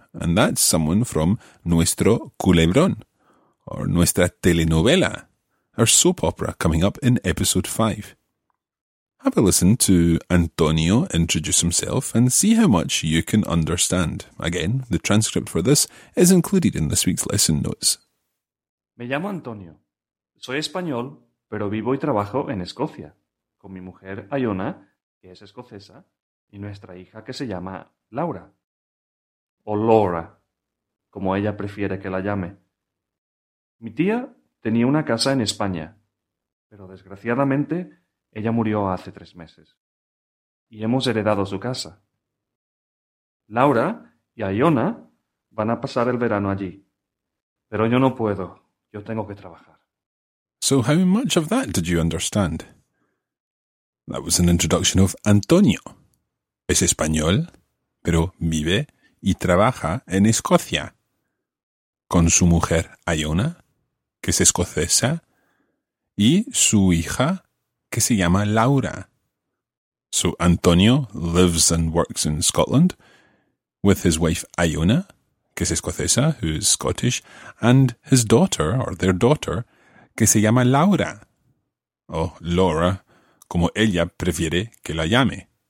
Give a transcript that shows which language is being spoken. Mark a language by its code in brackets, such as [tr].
[en] And that's someone from Nuestro Culebrón, or Nuestra Telenovela, our soap opera coming up in episode 5. Have a listen to Antonio introduce himself and see how much you can understand. Again, the transcript for this is included in this week's lesson notes. [es] Me llamo Antonio. Soy español, pero vivo y trabajo en Escocia, con mi mujer Ayona, que es escocesa, y nuestra hija que se llama Laura, o Laura, como ella prefiere que la llame. Mi tía tenía una casa en España, pero desgraciadamente ella murió hace 3 meses, y hemos heredado su casa. Laura y Ayona van a pasar el verano allí, pero yo no puedo, yo tengo que trabajar. [en] So how much of that did you understand? That was an introduction of Antonio. [es] Es español, pero vive y trabaja en Escocia, con su mujer Ayona, que es escocesa, y su hija, que se llama Laura. [en] So Antonio lives and works in Scotland with his wife Ayona, [es] que es escocesa, [en] who is Scottish, and his daughter, or their daughter, [es] que se llama Laura, o Laura, como ella prefiere que la llame.